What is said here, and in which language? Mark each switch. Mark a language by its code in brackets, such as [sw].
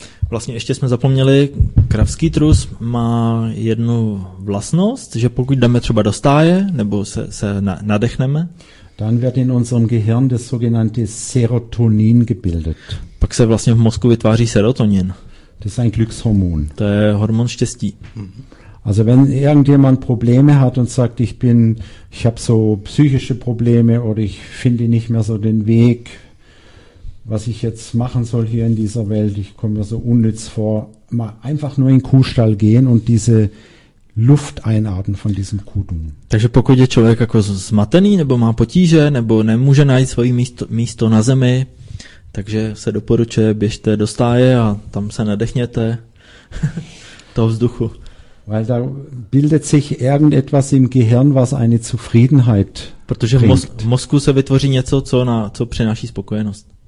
[cs] Vlastně ještě jsme zapomněli, kravský trus má jednu vlastnost, že pokud jdeme třeba do stáje nebo se nadechneme, [de] dann wird in unserem Gehirn das sogenannte Serotonin gebildet. [cs] Pak se vlastně v mozku vytváří serotonin. [de] Das ist ein Glückshormon. [cs] To je hormon štěstí. [de] Also wenn irgendjemand Probleme hat und sagt, ich habe so psychische Probleme oder ich finde nicht mehr so den Weg, was ich jetzt machen soll hier in dieser Welt, ich komme mir so unnütz vor, mal einfach nur in den Kuhstall gehen und diese Luft einatmen von diesem Kudung. [cs] Takže pokud je člověk jako zmatený nebo má potíže nebo nemůže najít svoje místo na zemi, takže se doporučuje, běžte do stáje a tam se nadechněte toho vzduchu. [de] Weil da bildet sich irgendetwas im Gehirn, was eine Zufriedenheit bringt. [cs] Protože v mozku se vytvoří něco, co přináší spokojenost.